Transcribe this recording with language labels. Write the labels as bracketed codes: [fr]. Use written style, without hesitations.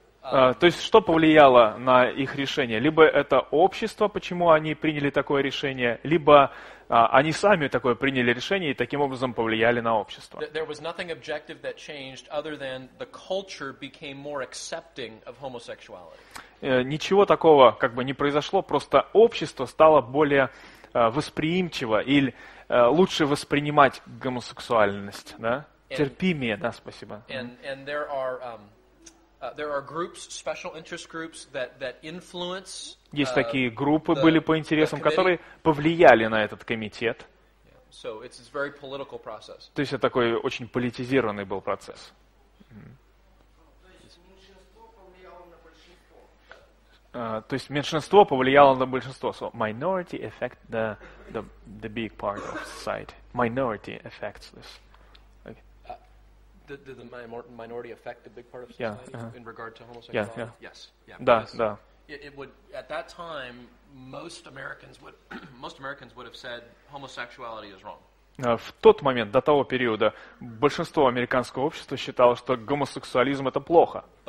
[ru] То есть, что повлияло на их решение? Либо это общество, почему они приняли такое решение, либо они сами такое приняли решение и таким образом повлияли на общество. [en] There was nothing objective that changed other than the culture became more accepting of homosexuality. [ru] Ничего такого как бы не произошло, просто общество стало более восприимчиво или лучше воспринимать гомосексуальность, да? Терпимее, да, спасибо. [en] And there are... there are groups, special interest groups that influence. [ru] Есть такие группы были по интересам, которые повлияли на этот комитет. [en] So it's a very political process. [ru] То есть это такой очень политизированный был процесс. То есть меньшинство повлияло на большинство. [en] So minority affect the big part of society. Minority affects this. Did the minority affect the big part of society in regard to homosexuality? Yes. It would at that time most Americans would have said homosexuality is wrong. [ru] В тот момент, до того периода, большинство американского общества считало, что гомосексуализм это плохо.